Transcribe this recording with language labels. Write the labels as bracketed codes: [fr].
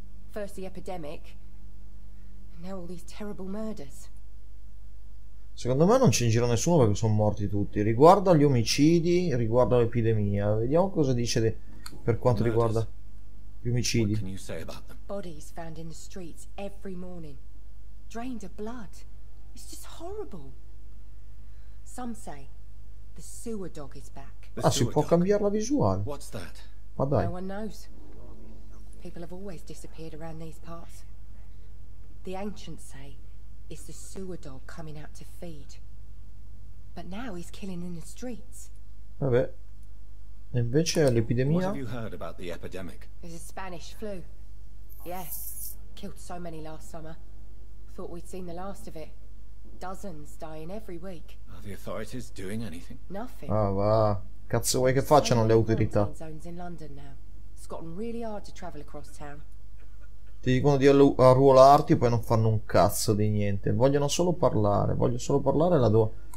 [en] First the epidemic, and now all these terrible murders. [it] Secondo me non c'è in giro nessuno perché sono morti tutti. Riguardo agli omicidi, riguardo all'epidemia. Vediamo cosa dice per quanto riguarda gli omicidi. [en] What can you say about them? Bodies found in the streets every morning, drained of blood. It's just horrible. Some say the sewer dog is back. [it] Ah, si può cambiare la visuale. [en] What's that? [it] Ma dai. [en] No one knows. People have always disappeared around these parts. The ancients say it's the sewer dog coming out to feed. But now he's killing in the streets. [it] Vabbè. E invece l'epidemia? [en] What have you heard about the epidemic? It's a Spanish flu. Yes. Killed so many last summer. Thought we'd seen the last of it. Dozens dying every week. Are the authorities doing anything? Nothing. [it] Ah, va. Cazzo vuoi che facciano le autorità? [en] It's gotten really hard to travel across town. [it] Ti dicono di arruolarti e poi non fanno un cazzo di niente. Vogliono solo parlare. Voglio solo parlare la tua.